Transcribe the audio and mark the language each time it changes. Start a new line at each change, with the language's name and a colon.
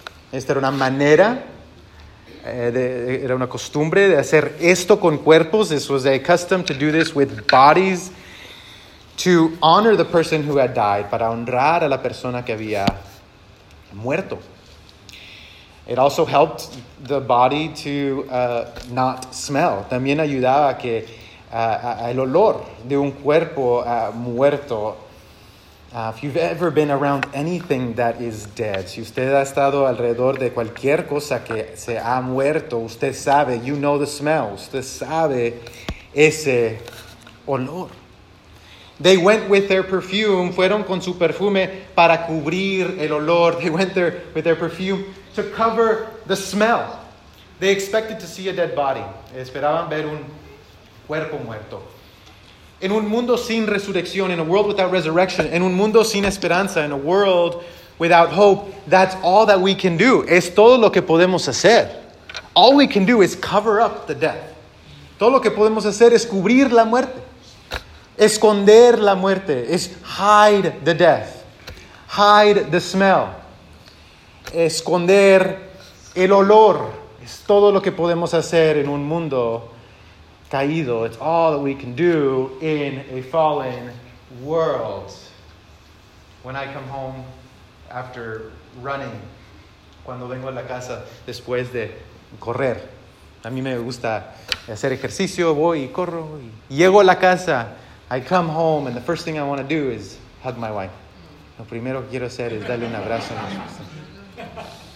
Spanish: Esta era una manera, era una costumbre de hacer esto con cuerpos.
English: This was a custom to do this with bodies to honor the person who had died,
Spanish: para honrar a la persona que había muerto.
English: It also helped the body to not smell.
Spanish: También ayudaba que el olor de un cuerpo muerto.
English: If you've ever been around anything that is dead,
Spanish: si usted ha estado alrededor de cualquier cosa que se ha muerto, usted sabe,
English: you know the smell.
Spanish: Usted sabe ese olor.
English: They went with their perfume.
Spanish: Fueron con su perfume para cubrir el olor.
English: They went there with their perfume to cover the smell. They expected to see a dead body.
Spanish: Esperaban ver un cuerpo muerto. En un mundo sin resurrección,
English: in a world without resurrection,
Spanish: en un mundo sin esperanza,
English: in a world without hope, that's all that we can do.
Spanish: Es todo lo que podemos hacer.
English: All we can do is cover up the death.
Spanish: Todo lo que podemos hacer es cubrir la muerte. Esconder la muerte. Es
English: hide the death. Hide the smell.
Spanish: Esconder el olor. Es todo lo que podemos hacer en un mundo caído.
English: It's all that we can do in a fallen world. When I come home after running
Spanish: cuando vengo a la casa después de correr. A mí me gusta hacer ejercicio, voy y corro. Y llego a la casa,
English: I come home, and the first thing I want to do is hug my wife.
Spanish: Lo primero que quiero hacer es darle un abrazo a mi esposa.